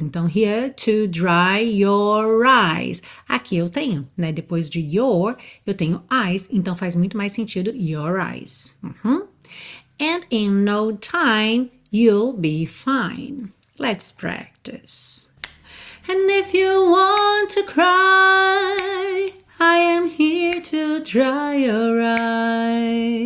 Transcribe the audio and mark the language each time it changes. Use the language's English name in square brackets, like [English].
[English] Então, here to dry your eyes. [Portuguese] Aqui eu tenho, né? Depois de your, eu tenho eyes. Então, faz muito mais sentido [English] your eyes. Uhum. And in no time, you'll be fine. Let's practice. And if you want to cry, I am here to dry your eyes.